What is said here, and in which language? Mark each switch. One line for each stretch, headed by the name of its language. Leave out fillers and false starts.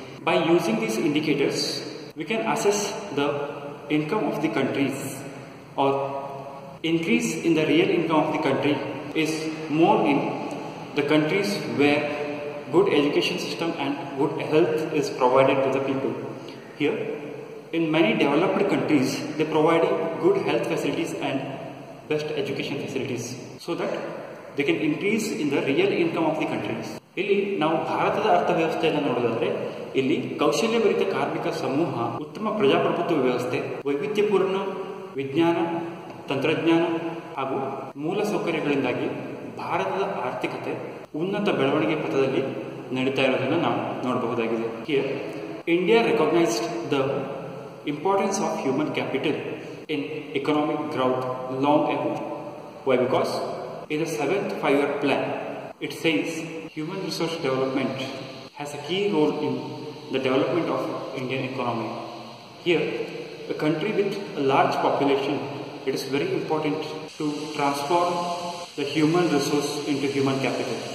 English: By using these indicators, we can assess the income of the countries, or increase in the real income of the country is more in the countries where good education system and good health is provided to the people. here. In many developed countries, they provide good health facilities and best education facilities so that they can increase in the real income of the countries.
Kannada: ಇಲ್ಲಿ ನಾವು ಭಾರತದ ಅರ್ಥವ್ಯವಸ್ಥೆಯನ್ನು ನೋಡೋದಾದ್ರೆ ಇಲ್ಲಿ ಕೌಶಲ್ಯಭರಿತ ಕಾರ್ಮಿಕ ಸಮೂಹ, ಉತ್ತಮ ಪ್ರಜಾಪ್ರಭುತ್ವ ವ್ಯವಸ್ಥೆ, ವೈವಿಧ್ಯಪೂರ್ಣ ವಿಜ್ಞಾನ ತಂತ್ರಜ್ಞಾನ ಹಾಗೂ ಮೂಲ ಸೌಕರ್ಯಗಳಿಂದಾಗಿ ಭಾರತದ ಆರ್ಥಿಕತೆ ಉನ್ನತ ಬೆಳವಣಿಗೆ ಪಥದಲ್ಲಿ ನಡೀತಾ ಇರೋದನ್ನು ನಾವು ನೋಡಬಹುದಾಗಿದೆ.
English: Here India recognised the importance of human capital in economic growth long ago. Why? Because in the 7th 5-year plan it says human resource development has a key role in the development of Indian economy. Here, a country with a large population, it is very important to transform the human resource into human capital.